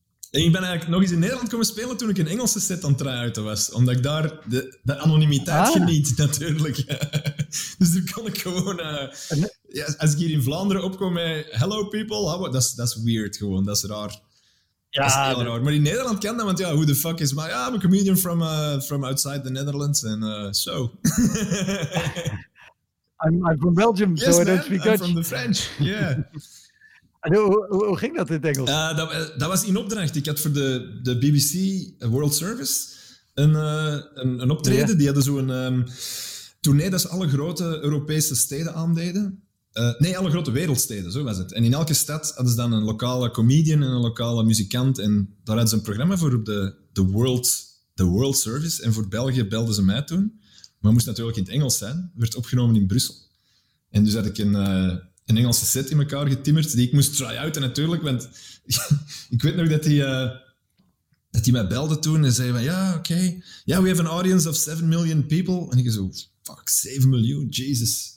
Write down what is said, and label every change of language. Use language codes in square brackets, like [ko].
[nl] En ik ben eigenlijk nog eens in Nederland komen spelen toen ik een Engelse set aan het try-outen was. Omdat ik daar de anonimiteit geniet, natuurlijk. Dus daar kon ik gewoon... als ik hier in Vlaanderen opkom met [en] hello people, [nl] dat is weird gewoon. Dat is raar. Ja, dat is heel raar. Maar in Nederland kan dat, want ja, [en] who the fuck is my... I'm a comedian from outside the Netherlands and so. I'm from Belgium, yes, so man, I don't speak Dutch. I'm from the French, yeah. [nl] Hoe ging dat in het Engels? Dat was in opdracht. Ik had voor de BBC World Service een optreden. Yeah. Die hadden zo'n tournee dat ze alle grote Europese steden aandeden. Alle grote wereldsteden, zo was het. En in elke stad hadden ze dan een lokale comedian en een lokale muzikant. En daar hadden ze een programma voor op de World Service. En voor België belden ze mij toen. Maar het moest natuurlijk in het Engels zijn. Het werd opgenomen in Brussel. En dus had ik een Engelse set in elkaar getimmerd, die ik moest try-outen natuurlijk, want ik weet nog dat hij mij belde toen en zei van, ja, oké. [en] Okay. Ja, yeah, we have an audience of 7 million people. [nl] En ik zo, fuck, 7 miljoen, Jesus.